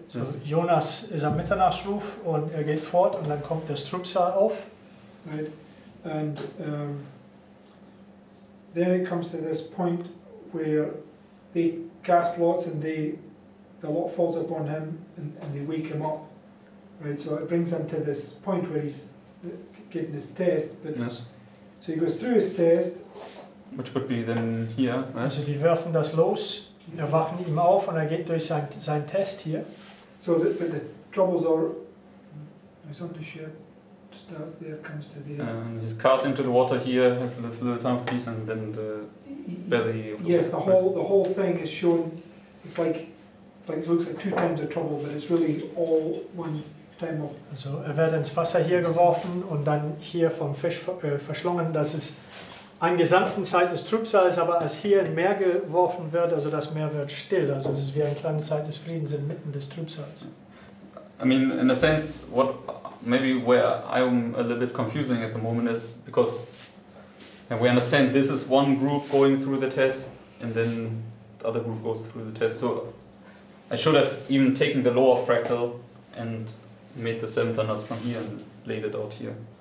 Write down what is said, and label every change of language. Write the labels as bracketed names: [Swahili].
[English] So yes. [German] Jonas ist am Mitternachtsruf, und er geht fort, und dann kommt das Trübsal auf. [English] Right, and... then it comes to this point where they cast lots and the lot falls upon him and they wake him up, right? So it brings him to this point where he's getting his test. But yes. So he goes through his test. Which would be then here, right? [German] Also die werfen das los, erwachen ihm auf und geht durch sein Test hier. [English] So the troubles are... I just want to share. Starts there, comes to there. And he's cast into the water here, has a little time of peace, and then the belly of the... Yes, water. the whole thing is shown, it's like it looks like two times of trouble, but it's really all one time of... [German] Also wird ins Wasser hier geworfen und dann hier vom Fisch verschlungen. Das ist eine gesamte Zeit des Trübsals, aber als hier im Meer geworfen wird, also das Meer wird still. Also es ist wie eine kleine Zeit des Friedens inmitten des Trübsals. [English] I mean, in a sense, what... Maybe where I'm a little bit confusing at the moment is because, and we understand this is one group going through the test and then the other group goes through the test. So I should have even taken the lower fractal and made the seven thunders from here and laid it out here.